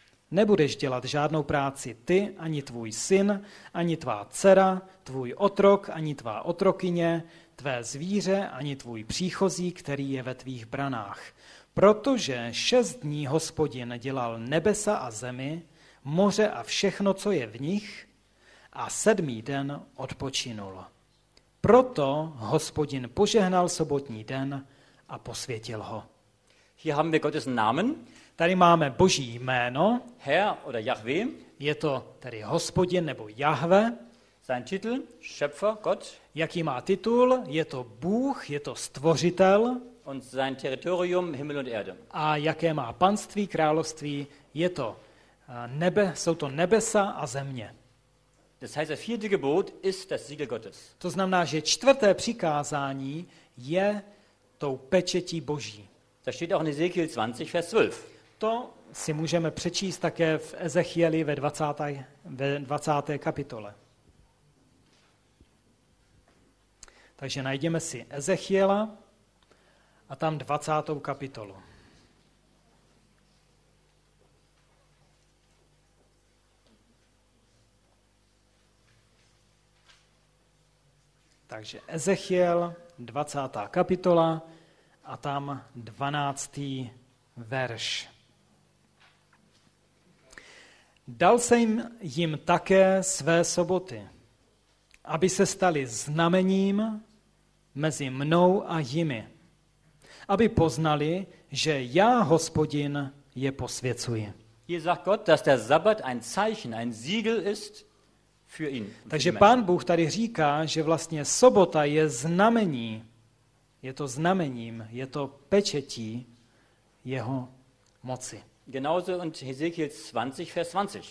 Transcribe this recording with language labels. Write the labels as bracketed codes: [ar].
[cs] Nebudeš dělat žádnou práci ty, ani tvůj syn, ani tvá dcera, tvůj otrok, ani tvá otrokyně, tvé zvíře, ani tvůj příchozí, který je ve tvých branách. Protože 6 dní Hospodin dělal nebesa a zemi, moře a všechno, co je v nich, a 7. den odpočinul. Proto Hospodin požehnal sobotní den a posvětil ho. [de] Hier haben wir Gottes Namen. [cs] Tady máme Boží jméno. [de] Herr oder Jahwe. [cs] Je to tedy Hospodin nebo Jahve. [de] Sein Titel, Schöpfer, Gott. [cs] Jaký má titul? Je to Bůh, je to Stvořitel. [de] Und sein Territorium, Himmel und Erde. [cs] A jaké má panství, království? Je to nebe, jsou to nebesa a země. [de] Das heißt, das vierte Gebot ist das Siegel Gottes. [cs] To znamená, že 4. přikázání je tou pečetí Boží. [de] Das steht auch in Ezekiel 20, Vers 12. [cs] To si můžeme přečíst také v Ezechieli ve 20. kapitole. Takže najdeme si Ezechiela a tam 20. kapitolu. Takže Ezechiel, 20. kapitola a tam 12. verš. Dal jsem jim také své soboty, aby se staly znamením mezi mnou a jimi, aby poznali, že já, Hospodin, je posvěcuji. [de] Hier sagt Gott, dass der Sabbat ein Zeichen, ein Siegel ist. [cs] Takže Pán Bůh tady říká, že vlastně sobota je znamení, je to znamením, je to pečetí jeho moci. [de] Genauso und Ezekiel 20, Vers 20.